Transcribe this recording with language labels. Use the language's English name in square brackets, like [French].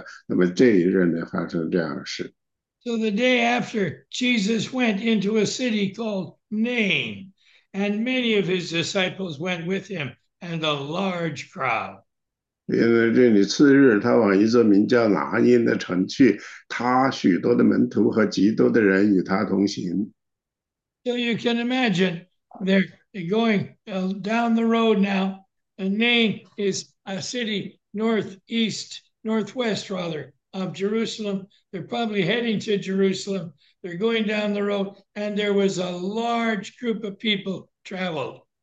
[Chinese] 因为这是一个次日，他往另一个名叫拿因的城去。因为这个次日呢，说明呢，他前面那个故事呢是在上一日发生的，那么这一日呢发生这样的事。 [English] So the day after, Jesus went into a city called Nain, and many of his disciples went with him, and a large crowd. [Chinese] 因为这里次日，他往一座名叫拿因的城去，他许多的门徒和极多的人与他同行。 [English] So you can imagine they're going down the road now. And Nain is a city northwest rather, of Jerusalem. They're probably heading to Jerusalem. They're going down the road. And there was a large group of people traveled.